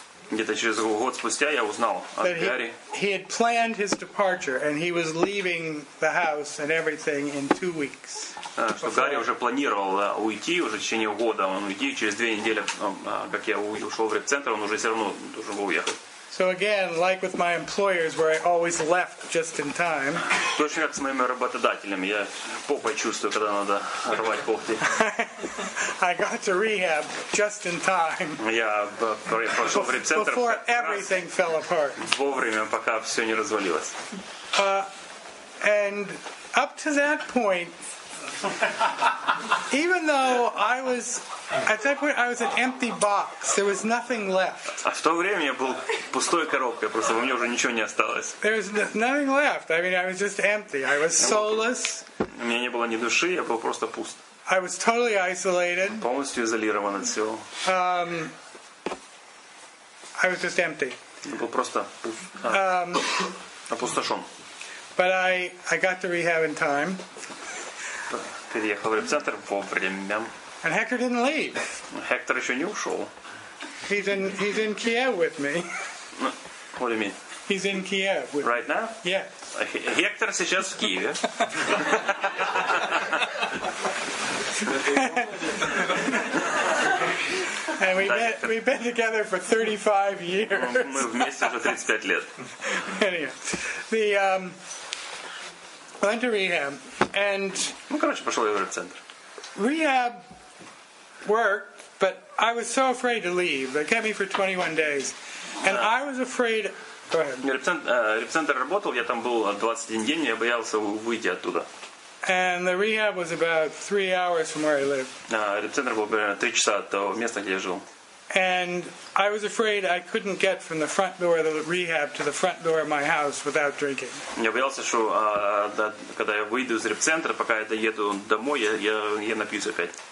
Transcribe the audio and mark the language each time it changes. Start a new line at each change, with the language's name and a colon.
Russian: Где-то через год спустя я узнал от Гарри.
English: He had planned his departure and he was leaving the house and everything in 2 weeks.
Russian: Что Гарри уже планировал уйти уже в течение года, он уйти через 2 недели, как я ушел в реабилитацию, он уже все равно должен был уехать.
English: So again, like with my employers, where I always left just in time.
Russian: Точно как с моими работодателями, я попой чувствую, когда надо рвать когти.
English: I got to rehab just in time.
Russian: Я прошел в реабилитацию.
English: Before everything fell apart.
Russian: Вовремя, пока все не развалилось.
English: And up to that point, even though I was. At that point, I was an empty box. There was nothing left.
Russian: А в то время я был пустой коробкой, просто во мне уже ничего не осталось.
English: There was nothing left. I mean, I was just empty. I was soulless.
Russian: У меня не было ни души, я был просто пуст.
English: I was totally isolated.
Russian: Полностью изолирован от всего.
English: I was just empty.
Russian: Я был просто опустошен.
English: But I got to rehab in time.
Russian: Переехал в реабилитацию вовремя.
English: And Hector didn't leave.
Russian: Hector еще не ушел.
English: He's in Kiev with me. What do you mean? He's in Kiev. With right me. Now? Yeah.
Russian: Hector сейчас в Киеве.
English: And we've been together for 35 years.
Russian: Мы вместе уже 35 лет.
English: Anyway, the went to rehab and.
Russian: Ну короче, пошел я в центр.
English: Rehab. Work, but I was so afraid to leave. They kept me for 21 days, and I was afraid. Go ahead.
Russian: Реабцентр работал. Я там был 21 день. Я боялся выйти оттуда.
English: And the rehab was about 3 hours from where I lived.
Russian: Реабцентр был примерно 3 часа от того места, где я жил.
English: And I was afraid I couldn't get from the front door of the rehab to the front door of my house without drinking.
Russian: Я боялся, что когда я выйду из реабцентра, пока я доеду домой, я напьюсь опять.